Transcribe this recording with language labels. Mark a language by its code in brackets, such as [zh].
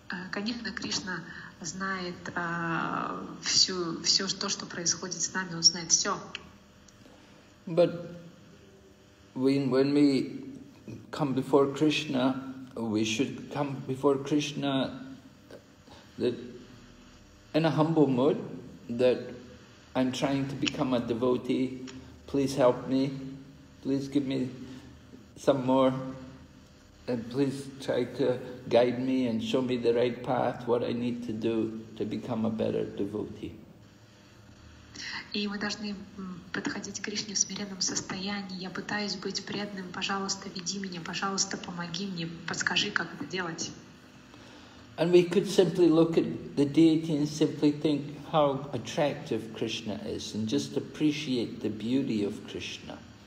[ru] Конечно, Кришна знает все то, что происходит с нами, он знает все. [en] But when we come before Krishna, we should come before Krishna that in a humble mood, that I'm trying to become a devotee, please help me, please give me some more, and please try to guide me and show me the right path, what I need to do to become a better devotee. [ru] И мы должны подходить к Кришне в смиренном состоянии. Я пытаюсь быть преданным, пожалуйста, веди меня, пожалуйста, помоги мне, подскажи, как это делать. [en] And we could simply look at the deity and simply think how attractive Krishna is and just appreciate the beauty of Krishna.